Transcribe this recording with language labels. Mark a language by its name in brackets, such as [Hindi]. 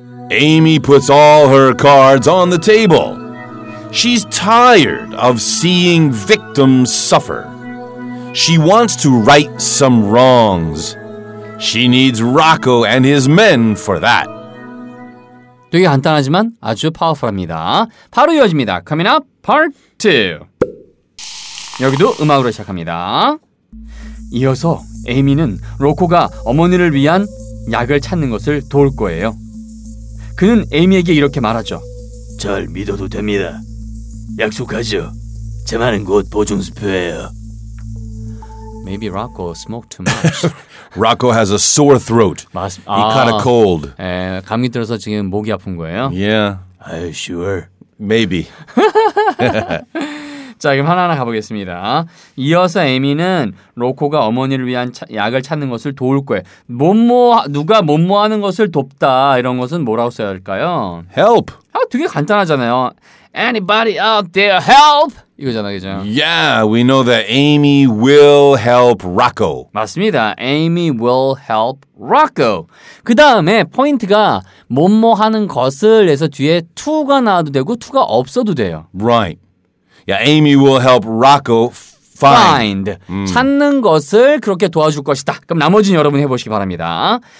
[English] Amy puts all her cards on the table. She's tired of seeing victims suffer. She wants to right some wrongs. She needs Rocco and his men for that. [Korean] 되게 간단하지만 아주 파워풀합니다. 바로 이어집니다. [English] Coming up, part 2. [Korean] 여기도 음악으로 시작합니다. 이어서 에이미는 로코가 어머니를 위한 약을 찾는 것을 도울 거예요. 그는 에이미에게 이렇게 말하죠. 잘 믿어도 됩니다. 약속하죠. 제 말은 곧 보증수표예요. [English] Maybe Rocco smoked too much. Rocco has a sore throat. [Korean] 맞습니다. [English] He caught a cold. [Korean] 에, 감기 들어서 지금 목이 아픈 거예요. [English] Yeah. Are you sure? Maybe. [Korean] 자, 그럼 하나하나 가보겠습니다. 이어서 에미는 로코가 어머니를 위한 약을 찾는 것을 도울 거예요. 누가 뭐뭐하는 것을 돕다 이런 것은 뭐라고 써야 할까요? [English] Help. [Korean] 아, 되게 간단하잖아요. [English] Anybody out there, help! [Korean] 이거잖아요, 그죠? [English] Yeah, we know that Amy will help Rocco. [Korean] 맞습니다. [English] Amy will help Rocco. [Korean] 그 다음에 포인트가 뭐뭐 하는 것을 해서 뒤에 to가 나와도 되고 to가 없어도 돼요. [English] Right. Yeah, Amy will help Rocco find. [Korean] 찾는 것을 그렇게 도와줄 것이다. 그럼 나머지는 여러분 해보시기 바랍니다.